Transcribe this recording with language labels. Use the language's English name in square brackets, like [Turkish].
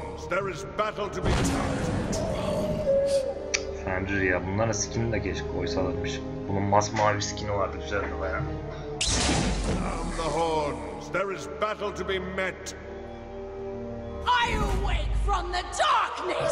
[English] There is battle to be fought. [Turkish] Fenrir ya, bunlara skin de keşke koysalarmış. Bunun masmavi skin'i vardı, güzeldi baya. [English] Down the horns. There is battle to be met. I awake from the darkness.